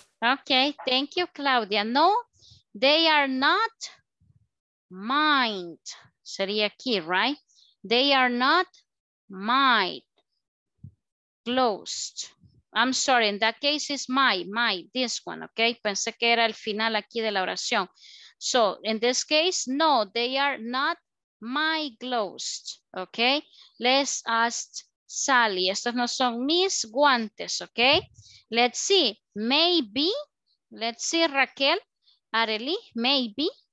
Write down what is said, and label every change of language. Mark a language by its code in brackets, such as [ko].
[en] Okay, thank you, Claudia. No, they are not mine. Sería aquí, right? They are not my gloves. I'm sorry, in that case is my this one. Okay. [es] Pensé que era el final aquí de la oración. [en] So, in this case, no, they are not my gloves, okay? [es] Let's ask Sally. Estos no son mis guantes, okay? [en] Let's see, maybe, let's see, Raquel, Arely, maybe.